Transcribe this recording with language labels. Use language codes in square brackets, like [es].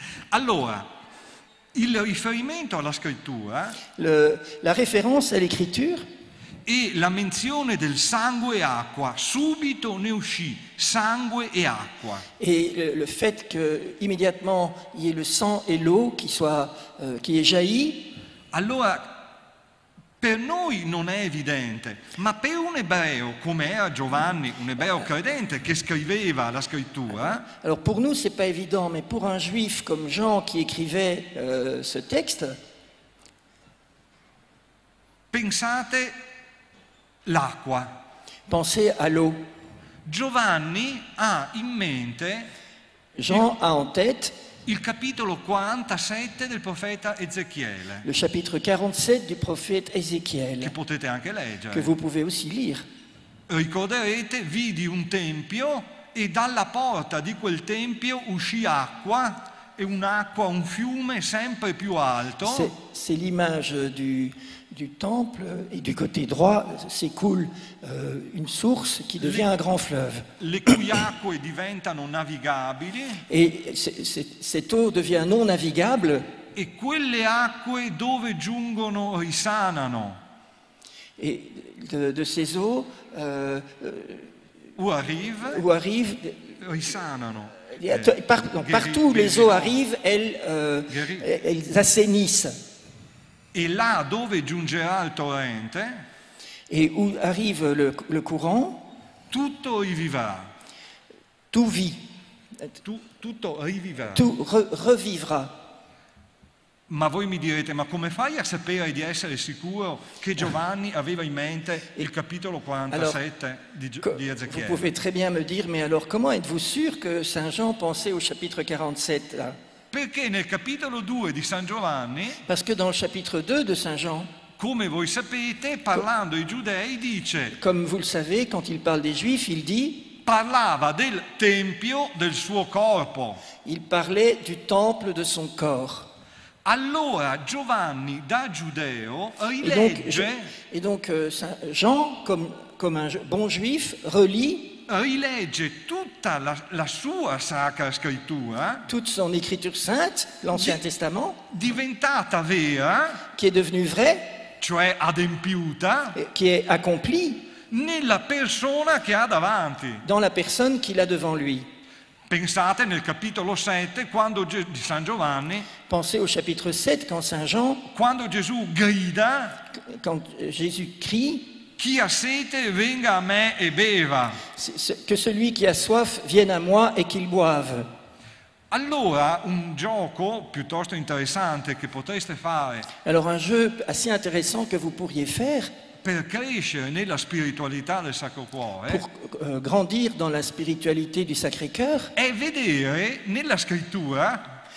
[it] Allora, il riferimento alla scrittura, [fr] la référence à l'écriture, [it] et la menzione del sangue e acqua, subito ne uscì, sangue e acqua. [fr] Et le fait que immédiatement il y ait le sang et l'eau qui est jailli. [it] Allora, per noi non è evidente, ma per un ebreo come era Giovanni, un ebreo credente che scriveva la scrittura. [fr] Alors pour nous c'est pas évident, mais pour un juif comme Jean qui écrivait ce texte. [it] Pensate l'acqua. [fr] Pensez à l'eau. [it] Giovanni ha in mente. [fr] Jean ha en tête. [it] Il capitolo 47 del profeta Ezechiele. [fr] Le chapitre 47 du prophète Ézéchiel. [it] Che potete anche leggere. [fr] Che vous pouvez aussi lire. [it] Ricorderete, vidi un tempio e dalla porta di quel tempio uscì acqua e un'acqua, un fiume sempre più alto. [fr] C'est l'image du temple et du côté droit s'écoule une source qui devient un grand fleuve. [it] Le cui acque diventano navigabili. [fr] Et cette eau devient non navigable. [it] E quelle acque dove giungono risanano. [fr] Et de ces eaux où arrivent [it] risanano. [fr] Partout où les eaux arrivent, elles assainissent. Et là, [it] dove giunge il torrente, [fr] et où arrive le courant, [it] tutto riviva. [fr] Tout vit. [it] Tutto riviva. [fr] Tout revivra. [it] Ma voi mi direte, ma come fai a sapere di essere sicuro che Giovanni aveva in mente il capitolo 47 di Ezechiele? [fr] Vous pouvez très bien me dire, mais alors comment êtes-vous sûr que Saint Jean pensait au chapitre 47 là? [it] Perché nel capitolo 2 di San Giovanni, [fr] parce que dans le chapitre 2 de Saint Jean, [it] come voi sapete, parlando ai giudei, dice, [fr] comme vous le savez, quand il parle des juifs, il dit, [it] parlava del tempio del suo corpo. [fr] Il parlait du temple de son corps. [it] Allora Giovanni da giudeo rilegge, [fr] e donc Saint Jean, come un bon juif, [it] rilegge tutta la sua sacra scrittura, [fr] toute son écriture sainte, l'Ancien Testament, [it] diventata vera, [fr] qui est devenue vraie, [it] cioè adempiuta, [fr] qui est accomplie, [it] nella persona che ha davanti, [fr] dans la personne qu'il a devant lui. [it] Pensate nel capitolo 7 quando di San Giovanni. [fr] Pensez au chapitre 7 quand Saint Jean. [it] Quando Gesù grida. [fr] Quand Jésus crie. [it] Chi ha sete venga a me e beva. [fr] Que celui qui a soif vienne à moi et qu'il boive. [it] Allora un gioco piuttosto interessante che potreste fare. [fr] Alors un jeu assez intéressant que vous pourriez faire. [it] Per crescere nella spiritualità del Sacro Cuore. [fr] Pour grandir dans la spiritualité du Sacré-Cœur. [it] È vedere nella scrittura.